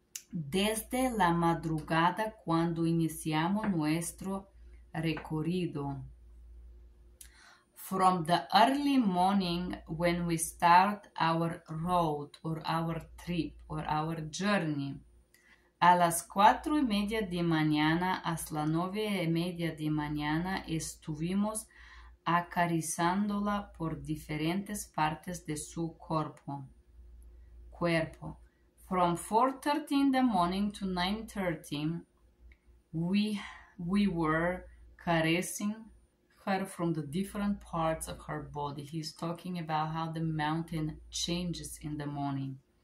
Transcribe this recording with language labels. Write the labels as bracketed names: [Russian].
[Spanish] Desde la madrugada cuando iniciamos nuestro recorrido. [English] From the early morning when we start our road or our trip or our journey. [Spanish] A las 4:30 de mañana hasta las 9:30 de mañana estuvimos acariciándola por diferentes partes de su cuerpo. [English] From 4:30 in the morning to 9:30, we were caressing her from the different parts of her body. He's talking about how the mountain changes in the morning.